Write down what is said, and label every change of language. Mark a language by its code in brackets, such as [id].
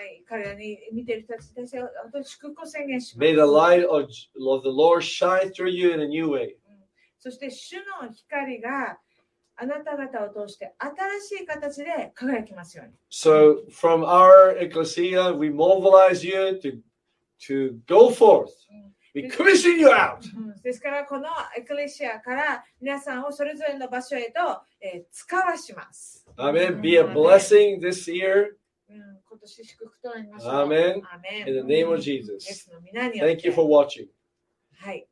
[en] May the light of the Lord shine through you in a new way. [ja] そして主の光があなた方を通して新しい形で輝きますように。 [en] So from our ecclesia, we mobilize you to go forth. We commission you out. [ja] ですからこのエクレシアから皆さんをそれぞれの場所へと使わします。 [en] Amen. Be a blessing this year. [ja] 今年祝福となりまし [en] ょう。Amen. In the name of Jesus. Thank you for watching. [ja] はい。